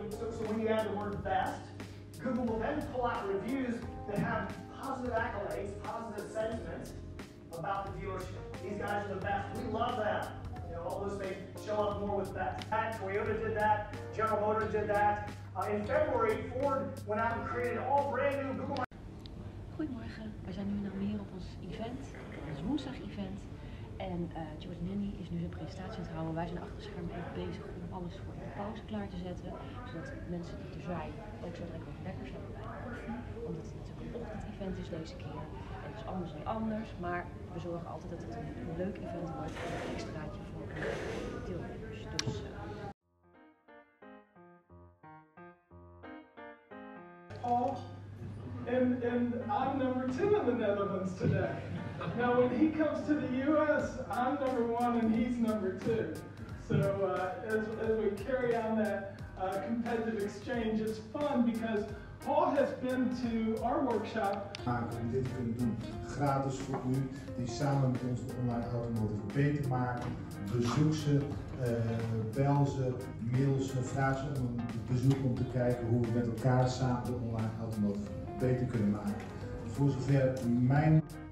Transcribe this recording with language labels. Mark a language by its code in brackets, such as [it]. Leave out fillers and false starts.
[en] So when you add the word best, Google will then pull out reviews that have positive accolades, positive sentiments about the dealership. These guys are the best. We love them. You know, all those things show up more with best. That Toyota did that. General Motors did that. In February, Ford went out and created an all brand new Google. [nl] Goedemorgen. We zijn nu in Almere op ons event. Ons woensdag event. En George Nanny is nu zijn presentatie aan het houden. Wij zijn achter het scherm even bezig om alles voor de pauze klaar te zetten. Zodat mensen die er zijn ook zo lekker lekker zijn bij de koffie. Omdat het natuurlijk een ochtend-event is deze keer. Het is anders dan anders. Maar we zorgen altijd dat het een leuk event wordt. En een extraatje voor de deelnemers. Dus, [en] And I'm number 10 in the Netherlands today. Now when he comes to the US, I'm number 1 and he's number 2. So as we carry on that competitive exchange, it's fun because Paul has been to our workshop. [nl] Maken, dit kunnen doen gratis voor u, die samen met ons de online automotive beter maken. Bezoek ze, bel ze, mail ze, vraag ze om een bezoek om te kijken hoe we met elkaar samen de online automotive beter kunnen maken. Voor zover mijn.